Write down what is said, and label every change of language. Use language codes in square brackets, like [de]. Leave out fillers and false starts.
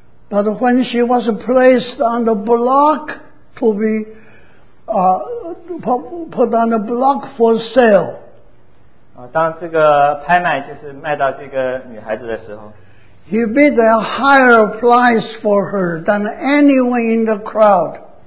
[en] But when she was placed on the block to be put on the block for sale, [zh] 当这个拍卖就是卖到这个女孩子的时候, [en] he bid a higher price for her than anyone in the crowd.